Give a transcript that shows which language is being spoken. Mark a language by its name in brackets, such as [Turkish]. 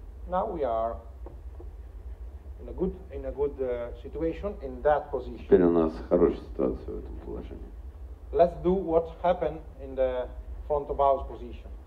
[English] Now we are in a good situation in that position. [Russian] Теперь у нас хорошая ситуация в этом положении. [English] Let's do what happened in the front of house position.